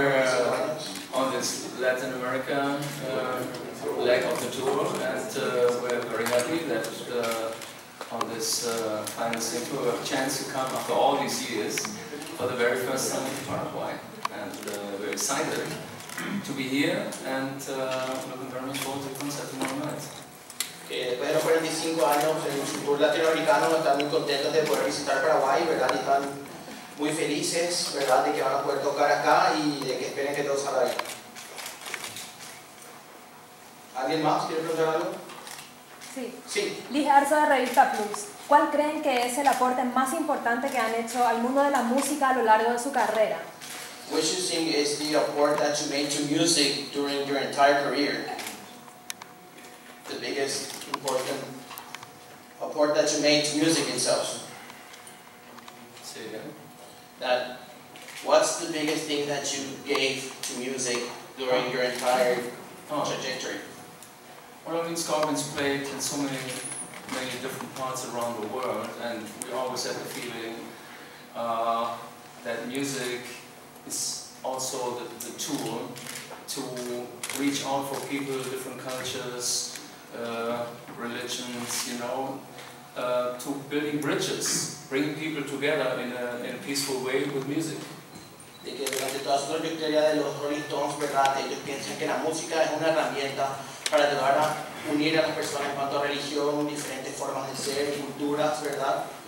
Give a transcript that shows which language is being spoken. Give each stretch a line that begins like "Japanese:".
English: America leg of the tour, and we're very happy that on this final single we have a chance to come after all these years for the very first time in Paraguay. And we're excited to be here, and looking very much forward to the concert tomorrow night.
Spanish: Que después de los 45 años en su tour latinoamericano están muy contentos de poder visitar Paraguay, ¿verdad? Y están muy felices, ¿verdad? De que van a poder tocar acá y de que esperen que todo salga bien. ¿Alguien más quiere preguntar algo? Sí. Sí. Lijarzo de Revista Plus. ¿Cuál creen que es el aporte más importante que han hecho al mundo de la música a lo largo de su carrera?
English: Which you think is the aport that you made to music during your entire career? The biggest important aport that you made to music itself. Say again. That, what's the biggest thing that you gave to music during your entire trajectory? Well, I mean, Scorpions played in so many, many different parts around the world, and we always had the feeling that music is also the tool to reach out for people of different cultures, religions, you know, to building bridges, bringing people together in a peaceful way with music.
Spanish: De que durante toda su trayectoria de los Rolling Stones, verdad, ellos piensan que la música es una herramienta para ayudar a unir a las personas en cuanto a religión, diferentes formas de ser, culturas, verdad.